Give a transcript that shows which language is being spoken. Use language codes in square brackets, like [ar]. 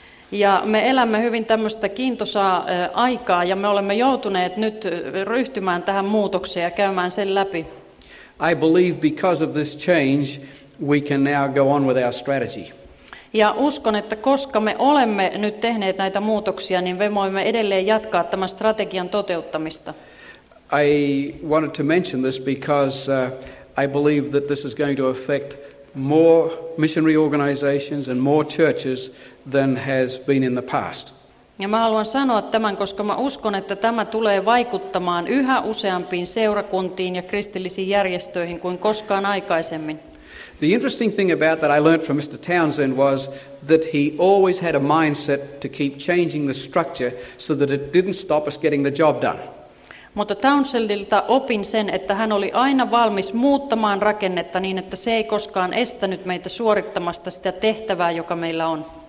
[fi] Ja me elämme hyvin tämmöistä kiintosaa aikaa ja me olemme joutuneet nyt ryhtymään tähän muutokseen ja käymään sen läpi. [en] I believe because of this change we can now go on with our strategy. [fi] Ja uskon, että koska me olemme nyt tehneet näitä muutoksia, niin me voimme edelleen jatkaa tämän strategian toteuttamista. [en] I wanted to mention this because I believe that this is going to affect more missionary organizations and more churches than has been in the past. [fi] Ja mä haluan sanoa tämän, koska mä uskon, että tämä tulee vaikuttamaan yhä useampiin seurakuntiin ja kristillisiin järjestöihin kuin koskaan aikaisemmin. [en] The interesting thing about that I learned from Mr. Townsend was that he always had a mindset to keep changing the structure so that it didn't stop us getting the job done. [fi] Mutta Townsendilta opin sen, että hän oli aina valmis muuttamaan rakennetta niin, että se ei koskaan estänyt meitä suorittamasta sitä tehtävää, joka meillä on.